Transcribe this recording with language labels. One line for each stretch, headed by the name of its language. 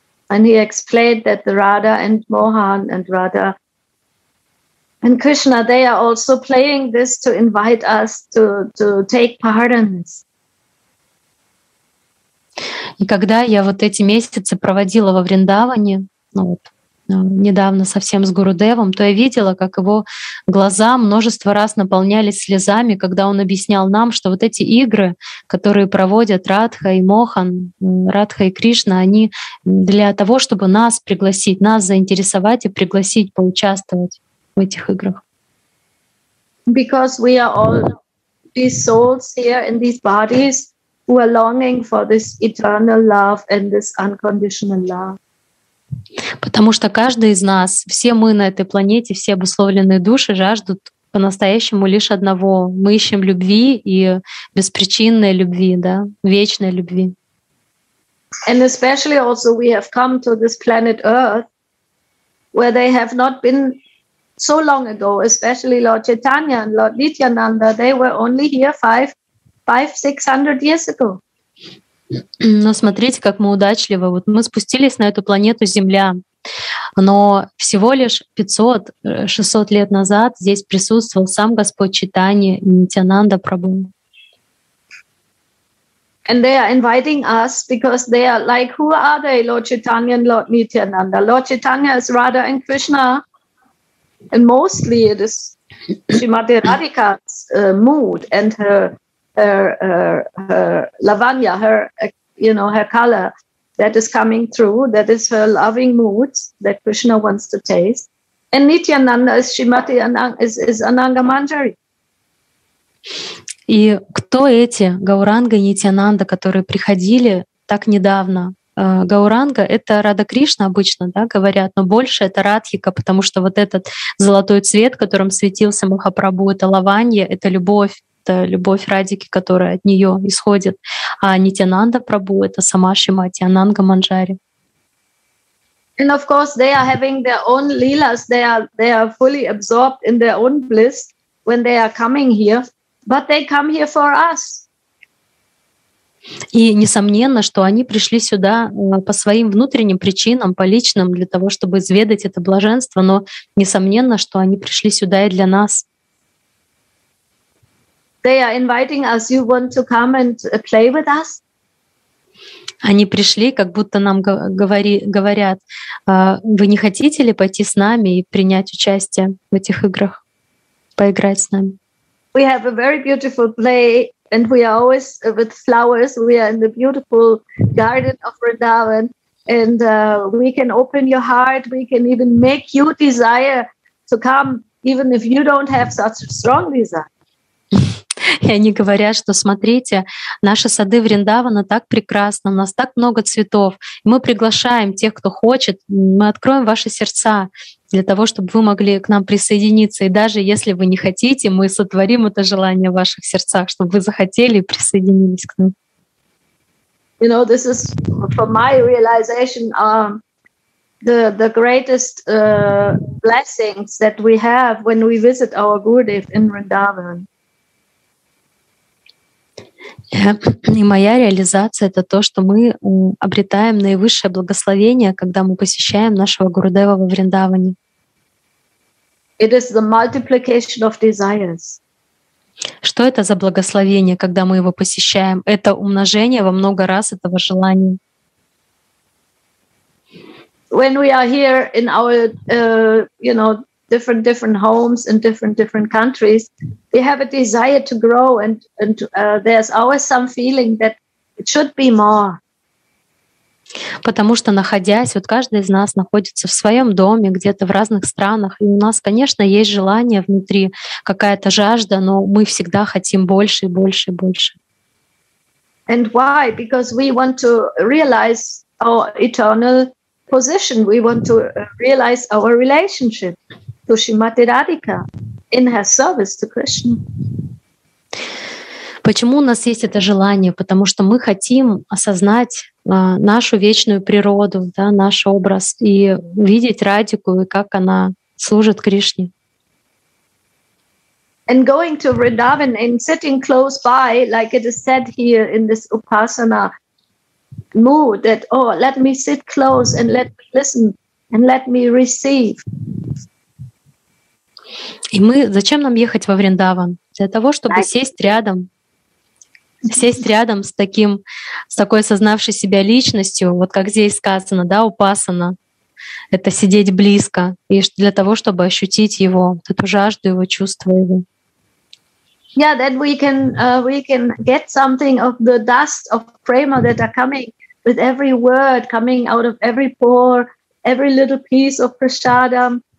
English: And he explained that the Radha and Mohan and Radha and Krishna, they are also playing this to invite us to take part in this.
Russian: И когда я вот эти месяцы проводила во Вриндаване, недавно совсем с Гурудевом, то я видела, как его глаза множество раз наполнялись слезами, когда он объяснял нам, что вот эти игры, которые проводят Радха и Мохан, Радха и Кришна, они для того, чтобы нас пригласить, нас заинтересовать и пригласить поучаствовать в этих играх.
English: Because we are all these souls here in these bodies who are longing for this eternal love and this unconditional love.
Russian: Потому что каждый из нас, все мы на этой планете, все обусловленные души жаждут по-настоящему лишь одного. Мы ищем любви и беспричинной любви, да, вечной любви.
English: And especially also we have come to this planet Earth, where they have not been so long ago, especially Lord Chaitanya and Lord Nityananda, they were only here 500-600 years ago.
Russian: Но смотрите, как мы удачливы. Вот мы спустились на эту планету Земля, но всего лишь 500-600 лет назад здесь присутствовал сам Господь Чайтанья и Нитьянанда Прабху.
English: And they are inviting us because they are like, who are they, Lord Chaitanya and Lord Nityananda? Lord Chaitanya is Radha and Krishna, and mostly it is Srimati Radhika's mood and her lavanya, her color that is coming through, that is her loving mood that Krishna wants to taste. And Nityananda is Srimati is Ananga Manjari.
Russian: И кто эти Гауранга и Нитьянанда, которые приходили так недавно? Гауранга — это Рада Кришна обычно, да, говорят, но больше это Радхика, потому что вот этот золотой цвет, которым светился Махапрабху, это лаванья, это любовь. Это любовь Радики, которая от нее исходит. А Нитьянанда Прабху — это сама Шримати Ананга Манджари.
English: And of course, they are having their own lilas. They are fully absorbed in their own bliss when they are coming here. But they come here for us.
Russian: И несомненно, что они пришли сюда по своим внутренним причинам, по личным, для того, чтобы изведать это блаженство. Но несомненно, что они пришли сюда и для нас.
English: They are inviting us. You want to come and play with us?
Russian: Они пришли, как будто нам говорят, вы не хотите ли пойти с нами и принять участие в этих играх, поиграть с нами?
English: We have a very beautiful play, and we are always with flowers. We are in the beautiful garden of Vrindavan, and we can open your heart. We can even make you desire to come, even if you don't have such a strong desire.
Russian: И они говорят, что смотрите, наши сады Вриндавана так прекрасны, у нас так много цветов. Мы приглашаем тех, кто хочет, мы откроем ваши сердца для того, чтобы вы могли к нам присоединиться. И даже если вы не хотите, мы сотворим это желание в ваших сердцах, чтобы вы захотели и присоединились к нам.
English: You know, this is for my realization the greatest blessings that we have when we visit our Gurudev in Vrindavan.
Russian: И моя реализация — это то, что мы обретаем наивысшее благословение, когда мы посещаем нашего Гурудева во Вриндаване.
English: It is the multiplication of desires.
Russian: Что это за благословение, когда мы его посещаем? Это умножение во много раз этого желания.
English: when we are here in our, you know, different homes in different countries, they have a desire to grow, and there's always some feeling that it should be more.
Russian: Потому что, находясь, вот каждый из нас находится в своем доме, где-то в разных странах, и у нас, конечно, есть желание внутри, какая-то жажда, но мы всегда хотим больше и больше и больше.
English: And why? Because we want to realize our eternal position. We want to realize our relationship to Shrimati Radhika in her service to Krishna.
Russian: Почему у нас есть это желание? Потому что мы хотим осознать нашу вечную природу, да, наш образ, и видеть Радику, и как она служит Кришне.
English: And going to Vrindavan and sitting close by, like it is said here in this Upasana mood, that, oh, let me sit close and let me listen and let me receive.
Russian: И мы, зачем нам ехать во Вриндаван? Для того, чтобы сесть рядом. Сесть рядом с таким, с такой осознавшей себя личностью, вот как здесь сказано, да, упасана, это сидеть близко, и для того, чтобы ощутить его, эту жажду его, чувство его.
English: Yeah, then we can get something of the dust of prema that are coming with every word coming out of every pore, every little piece of prasadam.